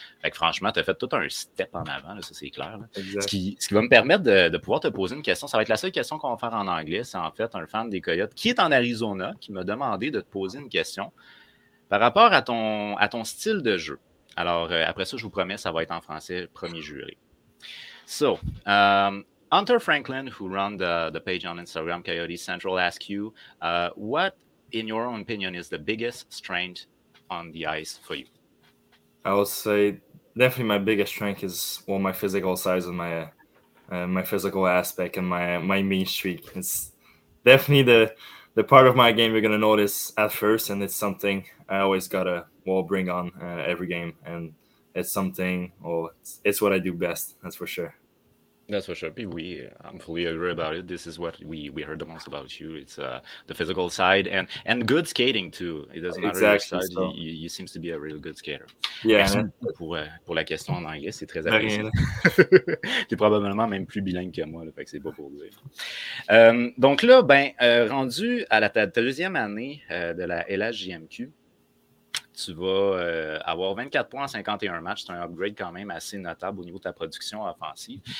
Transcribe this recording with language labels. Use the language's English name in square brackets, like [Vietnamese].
[French] Fait que franchement, tu as fait tout un step en avant, là, ça c'est clair. Ce qui va me permettre de pouvoir te poser une question, ça va être la seule question qu'on va faire en anglais, c'est en fait un fan des Coyotes qui est en Arizona, qui m'a demandé de te poser une question. Par rapport à ton style de jeu, alors après ça, je vous promets, ça va être en français, premier juré. [English] So, Hunter Franklin, who run the page on Instagram, Coyote Central, asks you, what, in your own opinion, is the biggest strength on the ice for you? I would say definitely my biggest strength is, well, my physical size and my physical aspect and my mean streak. It's definitely the part of my game you're going to notice at first, and it's something I always gotta bring on every game, and it's something, it's what I do best, that's for sure. That's for sure. I'm fully agree about it. This is what we heard the most about you. It's the physical side and good skating too. It doesn't matter exactly your side, so. you seem to be a real good skater. Yeah. [French] Merci pour la question en anglais, c'est très apprécié. T'es probablement même plus bilingue que moi, là, fait que c'est pas pour dire. Donc là, rendu à ta deuxième année de la LHJMQ, tu vas avoir 24 points en 51 matchs. C'est un upgrade quand même assez notable au niveau de ta production offensive.